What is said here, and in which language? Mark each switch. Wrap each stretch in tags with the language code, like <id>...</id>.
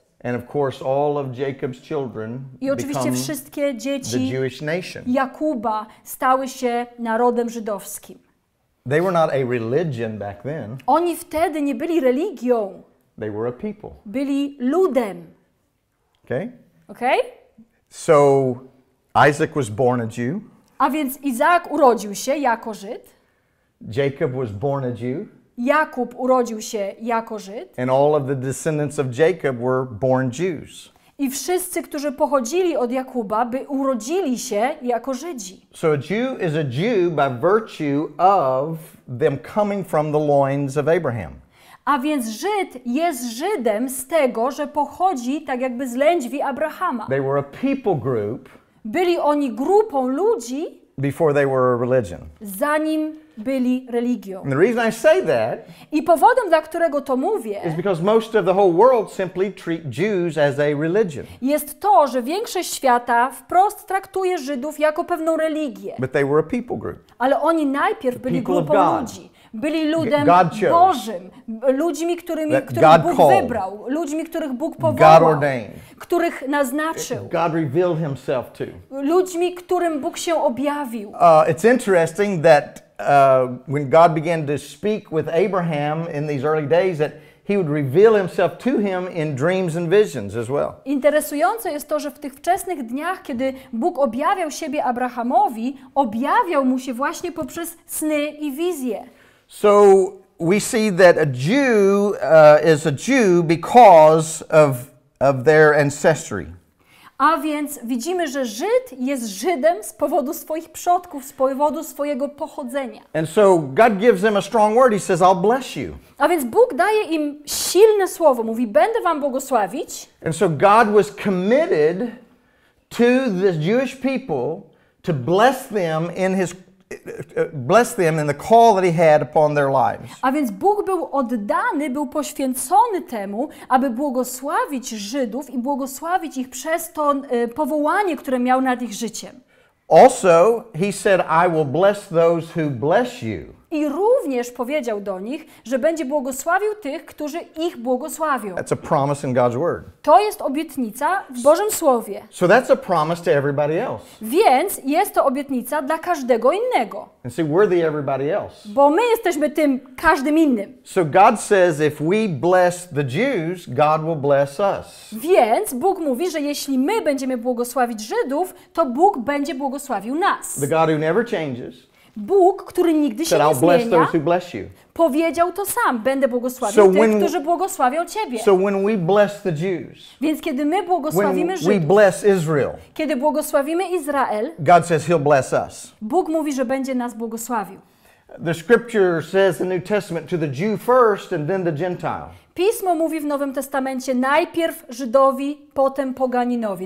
<en>And of course all of Jacob's children</en> <pl>i oczywiście wszystkie dzieci</pl> <en>the Jewish nation.</en> <pl>Jakuba stały się narodem żydowskim.</pl> <en>They were not a religion back then.</en> <pl>Oni wtedy nie byli religią.</pl> <en>They were a people.</en> <pl>Byli ludem.</pl> <en>Okay? Okay? So Isaac was born a Jew.</en> <pl>A więc Izaak urodził się jako Żyd.</pl> <en>Jacob was born a Jew.</en> <pl>Jakub urodził się jako Żyd.</pl> <en>And all of the descendants of Jacob were born Jews.</en> <pl>I wszyscy, którzy pochodzili od Jakuba, by urodzili się jako Żydzi.</pl> <en>So a Jew is a Jew by virtue of them coming from the loins of Abraham.</en> <pl>A więc Żyd jest Żydem z tego, że pochodzi tak jakby z lędźwi Abrahama.</pl> <en>They were a people group.</en> <pl>Byli oni grupą ludzi.</pl> <en>Before they were a religion.</en> <pl>Zanim byli religią.</pl> <en>And the reason I say that,</en> <pl>i powodem, dla którego to mówię,</pl> <en>is because most of the whole world simply treat Jews as a religion.</en> <pl>Jest to, że większość świata wprost traktuje Żydów jako pewną religię.</pl> <en>But they were a people group.</en> <pl>Ale oni najpierw</pl> <en>the</en> <pl>byli grupą ludzi. Byli ludem Bożym, ludźmi, którymi, których</pl> <en>God</en> <pl>Bóg</pl> <en>called.</en> <pl>Wybrał, ludźmi, których Bóg powołał, których naznaczył,</pl> <en>God revealed himself to.</en> <pl>Ludźmi, którym Bóg się objawił.</pl> <en>It's interesting that when God began to speak with Abraham in these early days, that he would reveal himself to him in dreams and visions as well.</en> <pl>Interesujące jest to, że w tych wczesnych dniach, kiedy Bóg objawiał siebie Abrahamowi, objawiał mu się właśnie poprzez sny i wizje.</pl> <en>So we see that a Jew is a Jew because of their ancestry.</en> <pl>A więc widzimy, że Żyd jest Żydem z powodu swoich przodków, z powodu swojego pochodzenia.</pl> <en>And so God gives them a strong word. He says, I'll bless you.</en> <pl>A więc Bóg daje im silne słowo. Mówi, będę wam błogosławić.</pl> <en>And so God was committed to the Jewish people to bless them in his bless them in the call that he had upon their lives.</en> <pl>A więc Bóg był oddany, był poświęcony temu, aby błogosławić Żydów i błogosławić ich przez to powołanie, które miał nad ich życiem.</pl> <en>Also, he said, I will bless those who bless you.</en> <pl>I również powiedział do nich, że będzie błogosławił tych, którzy ich błogosławią.</pl> <en>That's a promise in God's word.</en> <pl>To jest obietnica w Bożym Słowie.</pl> <en>So that's a promise to everybody else.</en> <pl>Więc jest to obietnica dla każdego innego.</pl> <en>And see, we're the everybody else.</en> <pl>Bo my jesteśmy tym każdym innym.</pl> <en>So God says, if we bless the Jews, God will bless us.</en> <pl>Więc Bóg mówi, że jeśli my będziemy błogosławić Żydów, to Bóg będzie błogosławił nas.</pl> <en>The God who never changes.</en> <pl>Bóg, który nigdy się nie zmienia, powiedział to sam. Będę błogosławił tych, którzy błogosławią Ciebie.</pl> <en>So when we bless the Jews,</en> <pl>więc kiedy my błogosławimy Żydów,</pl> <en>we bless Israel,</en> <pl>kiedy błogosławimy Izrael,</pl> <en>God says he'll bless us.</en> <pl>Bóg mówi, że będzie nas błogosławił.</pl> <en>The scripture says in the New Testament to the Jew first and then the Gentile.</en> <pl>Pismo mówi w Nowym Testamencie najpierw Żydowi, potem poganinowi.</pl>